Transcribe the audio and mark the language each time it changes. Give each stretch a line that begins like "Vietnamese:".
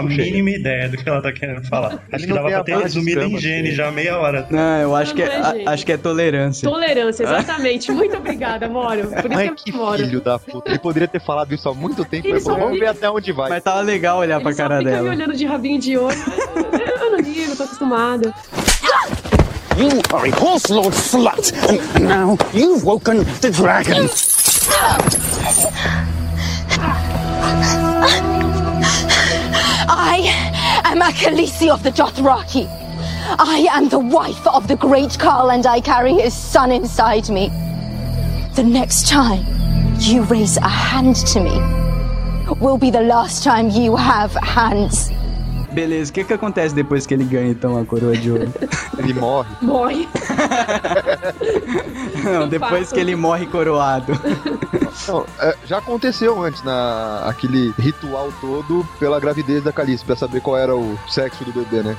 Portuguese: Eu não faço a mínima ideia do que ela tá querendo falar. Acho que dava pra ter resumido em gênio já meia hora. Não, eu acho que é tolerância. Tolerância, exatamente. Muito obrigada, Moro. Por isso que eu moro. Filho da puta. Ele poderia ter falado isso há muito tempo. Vamos ver até onde vai. Mas tava legal olhar pra cara dela. Ele fica me olhando de rabinho de olho. Eu não ligo, tô acostumada.
English: You are a horse lord slut, and now you've woken the dragon. I am a Khaleesi of the Dothraki. I am the wife of the great Carl, and I carry his son inside me. The next time you raise a hand to me will be the last time you have hands.
Portuguese: Beleza, o que que acontece depois que ele ganha então a coroa de ouro? Ele morre. Morre. Não, depois que ele morre coroado. Não, já aconteceu antes, aquele ritual todo pela gravidez da Khaleesi, pra saber qual era o sexo do bebê, né?